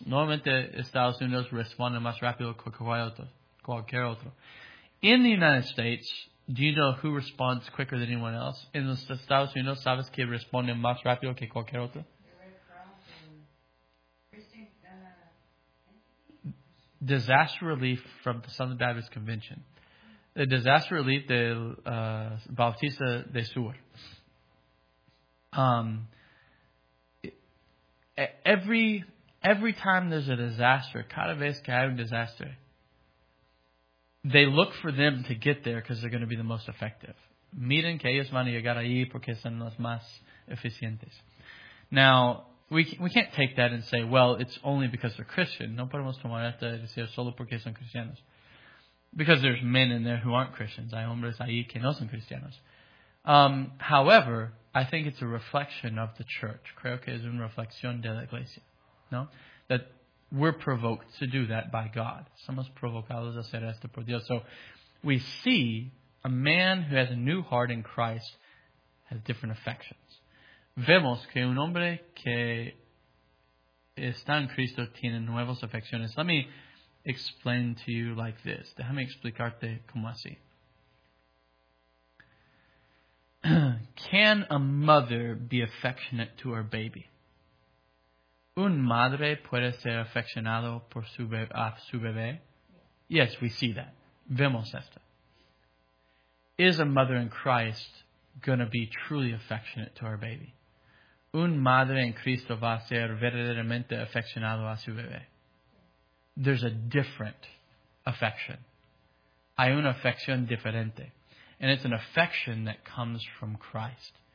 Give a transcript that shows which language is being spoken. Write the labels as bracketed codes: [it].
[es] Normalmente, Estados Unidos responde más rápido que cualquier otro. [en] In the United States, do you know who responds quicker than anyone else? [es] En los Estados Unidos, ¿sabes quién responde más rápido que cualquier otro? [en] Disaster relief from the Southern Baptist Convention. The disaster relief [es] de Bautista de Sur. [en] Every time there's a disaster, [es] cada vez que hay un disaster, [en] they look for them to get there because they're going to be the most effective. [es] Miren que ellos van a llegar ahí porque son los más eficientes. [en] Now, we can't take that and say, well, it's only because they're Christian. [es] No podemos tomar esto y decir solo porque son cristianos. [en] Because there's men in there who aren't Christians. [es] Hay hombres ahí que no son cristianos. [en] However, I think it's a reflection of the church. [es] Creo que es una reflexión de la iglesia. No? [en] That we're provoked to do that by God. [es] Somos provocados a hacer esto por Dios. [en] So we see a man who has a new heart in Christ has different affections. [es] Vemos que un hombre que está en Cristo tiene nuevas afecciones. [en] Let me explain to you like this. [es] Déjame explicarte como así. [en] Can a mother be affectionate to her baby? [es] ¿Un madre puede ser afeccionado por su bebé? [en] Yes, we see that. [es] Vemos esto. [en] Is a mother in Christ going to be truly affectionate to her baby? [es] Un madre en Cristo va a ser verdaderamente afeccionado a su bebé. [en] There's a different affection. [es] Hay una afección diferente. [en] And it's an affection that comes from Christ.